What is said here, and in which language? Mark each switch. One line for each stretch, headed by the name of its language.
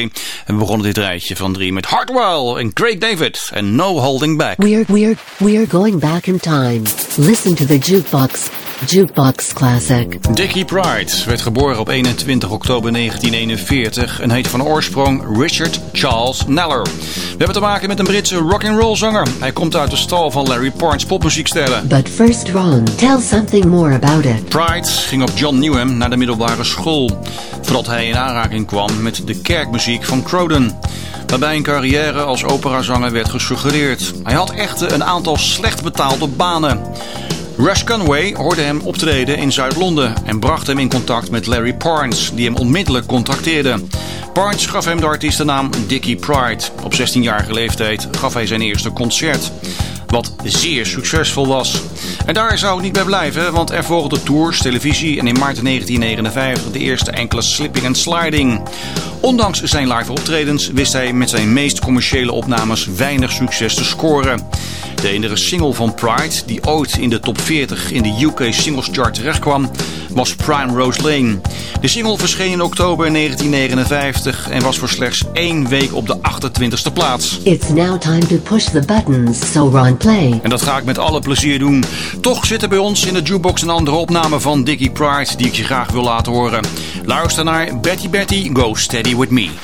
Dutch: En we begonnen dit rijtje van drie met Hartwell en Craig David. En No Holding Back.
English: We are going back in time. Listen to the jukebox. Jukebox classic.
Dutch: Dickie Pride werd geboren op 21 oktober 1941 en heet van oorsprong Richard Charles Naylor. We hebben te maken met een Britse rock'n'roll zanger. Hij komt uit de stal van Larry Parnes popmuziekstijlen.
English: But first, Ron, tell something more about it.
Dutch: Pride ging op John Newham naar de middelbare school, voordat hij in aanraking kwam met de kerkmuziek van Croydon, waarbij een carrière als operazanger werd gesuggereerd. Hij had echter een aantal slecht betaalde banen. Rush Conway hoorde hem optreden in Zuid-Londen en bracht hem in contact met Larry Parnes, die hem onmiddellijk contacteerde. Parnes gaf hem de artiestennaam Dickie Pride. Op 16-jarige leeftijd gaf hij zijn eerste concert, wat zeer succesvol was. En daar zou het niet bij blijven, want er volgden tours, televisie en in maart 1959 de eerste enkele Slipping and Sliding. Ondanks zijn live optredens wist hij met zijn meest commerciële opnames weinig succes te scoren. De enige single van Pride, die ooit in de top 40 in de UK Singles Chart terechtkwam, was Primrose Lane. De single verscheen in oktober 1959 en was voor slechts één week op de 28ste plaats.
English: It's now time to push the buttons, so Ron play.
Dutch: En dat ga ik met alle plezier doen. Toch zit er bij ons in de jukebox een andere opname van Dickie Pride die ik je graag wil laten horen. Luister naar Betty Betty Go Steady With Me.